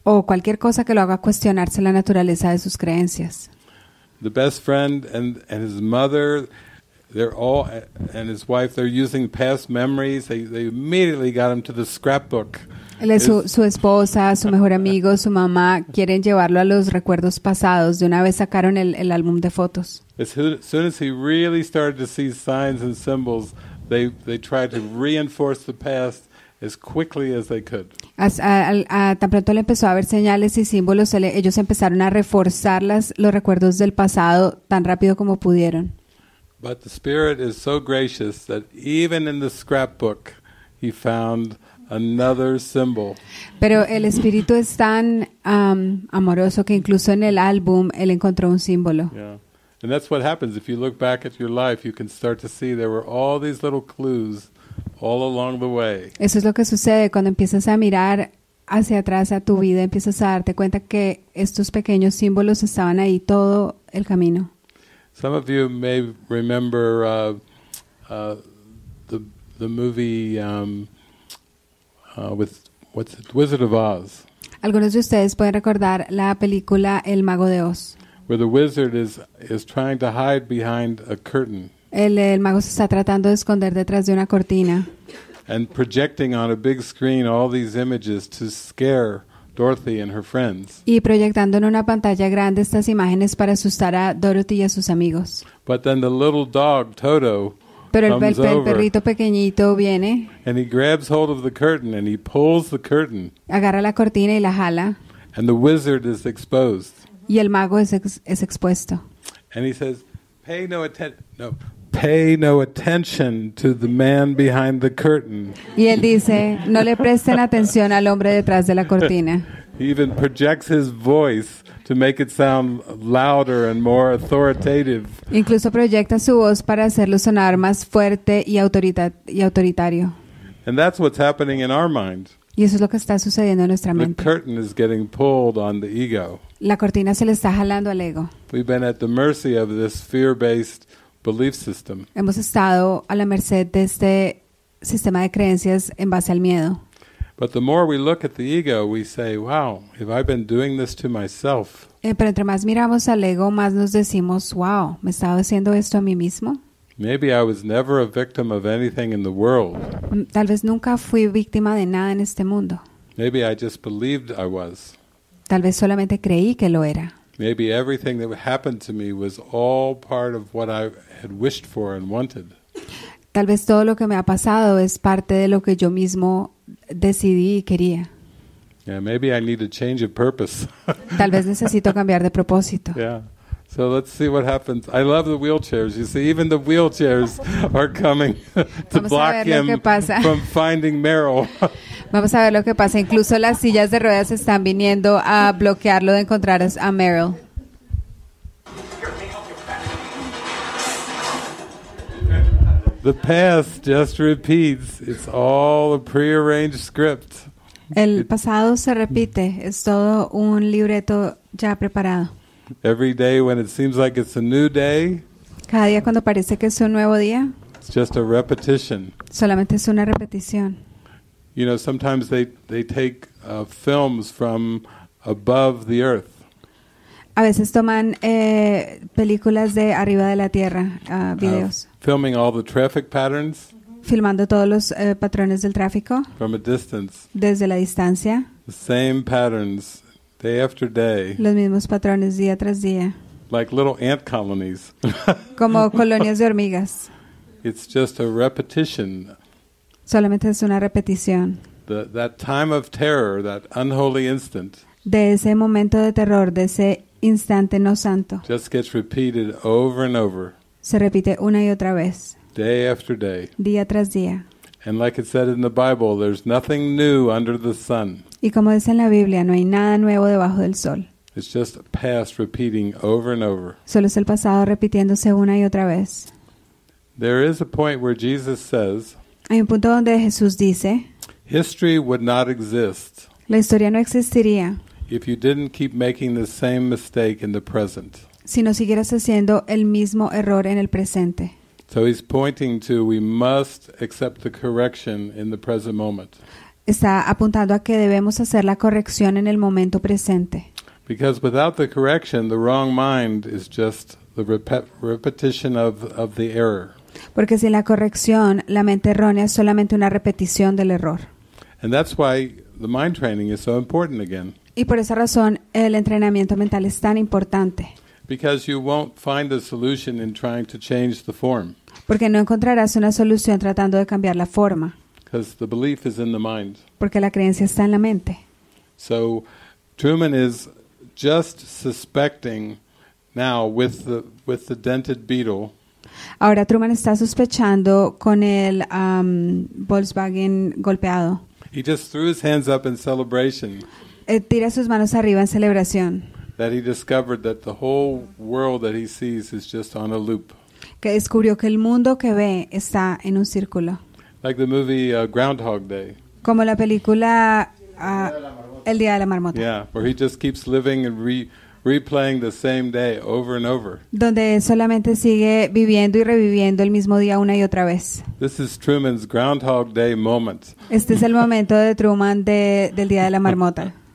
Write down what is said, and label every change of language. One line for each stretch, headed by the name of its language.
Spanish: O cualquier cosa que lo haga cuestionarse la naturaleza de sus creencias.
English: The best friend and his mother, they're all and his wife. They're using past memories. They immediately got him to the scrapbook.
Spanish: Su esposa, su mejor amigo, su mamá quieren llevarlo a los recuerdos pasados. De una vez sacaron el álbum de fotos.
English: As soon as he really started to see signs and symbols, they tried to reinforce the past as quickly as they could.
Spanish: Tan pronto le empezó a ver señales y símbolos, ellos empezaron a reforzar los recuerdos del pasado tan rápido como pudieron.
English: But the spirit is so gracious that even in the scrapbook he found another symbol.
Spanish: Pero el espíritu es tan amoroso que incluso en el álbum él encontró un símbolo.
English: Yeah. And that's what happens. If you look back at your life, you can start to see there were all these little clues all along the way.
Spanish: Eso es lo que sucede cuando empiezas a mirar hacia atrás a tu vida, empiezas a darte cuenta que estos pequeños símbolos estaban ahí todo el camino.
English: Some of you may remember the movie with what's it, Wizard of Oz.
Spanish: Algunos de ustedes pueden recordar la película El Mago de Oz.
English: Where the wizard is trying to hide behind a curtain.
Spanish: El mago se está tratando de esconder detrás de una cortina.
English: And projecting on a big screen all these images to scare Dorothy and her friends.
Spanish: Y proyectando en una pantalla grande estas imágenes para asustar a Dorothy y a sus amigos.
English: But then the little dog Toto comes over.
Spanish: Pero el perrito pequeñito viene.
English: And he grabs hold of the curtain and he pulls the curtain.
Spanish: Agarra la cortina y la jala.
English: And the wizard is exposed.
Spanish: Y el mago es expuesto.
English: And he says, pay no attention to the man behind the curtain.
Spanish: Y él dice, no le presten atención al hombre detrás de la cortina.
English: He even projects his voice to make it sound louder and more authoritative.
Spanish: Incluso proyecta su voz para hacerlo sonar más fuerte y autoritario.
English: And that's what's happening in our mind.
Spanish: Y eso es lo que está sucediendo en nuestra mente.
English: The curtain is getting pulled on the ego.
Spanish: La cortina se le está jalando al ego.
English: We've been at the mercy of this fear-based belief system.
Spanish: Hemos estado a la merced de este sistema de creencias en base al miedo.
English: But the more we look at the ego, we say, wow, have I been doing this to myself?
Spanish: Pero entre más miramos al ego, más nos decimos, wow, ¿me he estado haciendo esto a mí mismo?
English: Maybe I was never a victim of anything in the world.
Spanish: Tal vez nunca fui víctima de nada en este mundo.
English: Maybe I just believed I was.
Spanish: Tal vez solamente creí que lo era.
English: Maybe everything that happened to me was all part of what I had wished for and wanted.
Spanish: Tal vez todo lo que me ha pasado es parte de lo que yo mismo decidí y quería.
English: Yeah, maybe I need a change of purpose.
Spanish: Tal vez necesito cambiar de propósito.
English: Yeah. So let's see what happens. I love the wheelchairs. You see, even the wheelchairs are coming to block him from finding Meryl.
Spanish: Vamos a ver lo que pasa. Incluso las sillas de ruedas están viniendo a bloquearlo de encontrar a Meryl.
English: The past just repeats. It's all a prearranged script.
Spanish: El pasado se repite. Es todo un libreto ya preparado.
English: Every day when it seems like it's a new day.
Spanish: Cada día cuando parece que es un nuevo día.
English: It's just a repetition.
Spanish: Solamente es una repetición.
English: You know, sometimes they take films from above the earth.
Spanish: A veces toman películas de arriba de la tierra, videos.
English: Filming all the traffic patterns.
Spanish: Filmando todos los patrones del tráfico.
English: From a distance.
Spanish: Desde la distancia.
English: The same patterns. Day after day.
Spanish: Los mismos patrones día tras día.
English: Like little ant colonies.
Spanish: Como colonias de hormigas.
English: It's just a repetition.
Spanish: Solamente es una repetición.
English: That time of terror, that unholy instant.
Spanish: De ese momento de terror, de ese instante no santo.
English: Just gets repeated over and over.
Spanish: Se repite una y otra vez.
English: Day after day.
Spanish: Día tras día.
English: And like it said in the Bible, there's nothing new under the sun.
Spanish: Y como dice en la Biblia, no hay nada nuevo debajo del sol.
English: It's just past repeating over and over.
Spanish: Solo es el pasado repitiéndose una y otra vez.
English: There is a point where Jesus says,
Spanish: hay un punto donde Jesús dice,
English: history would not exist.
Spanish: La historia no existiría.
English: If you didn't keep making the same mistake in the present.
Spanish: Si no siguieras haciendo el mismo error en el presente.
English: So he's pointing to we must accept the correction in the present moment.
Spanish: Está apuntando a que debemos hacer la corrección en el momento presente.
English: Because without the correction, the wrong mind is just the repetition of the error.
Spanish: Porque sin la corrección, la mente errónea es solamente una repetición del error.
English: And that's why the mind training is so important again.
Spanish: Y por esa razón, el entrenamiento mental es tan importante.
English: Because you won't find a solution in trying to change the form.
Spanish: Porque no encontrarás una solución tratando de cambiar la forma.
English: Because the belief is in the mind.
Spanish: Porque la creencia está en la mente.
English: So Truman is just suspecting now with the dented beetle.
Spanish: Ahora Truman está sospechando con el Volkswagen golpeado.
English: He just threw his hands up in celebration.
Spanish: Tira sus manos arriba en celebración.
English: That he discovered that the whole world that he sees is just on a loop.
Spanish: Que descubrió que el mundo que ve está en un círculo.
English: Like the movie Groundhog Day.
Spanish: Como la película El día de la marmota.
English: Yeah, where he just keeps living and replaying the same day over and over.
Spanish: Donde solamente sigue viviendo y reviviendo el mismo día una y otra vez.
English: This is Truman's Groundhog Day moment.
Spanish: Este es el momento de Truman del día de la marmota.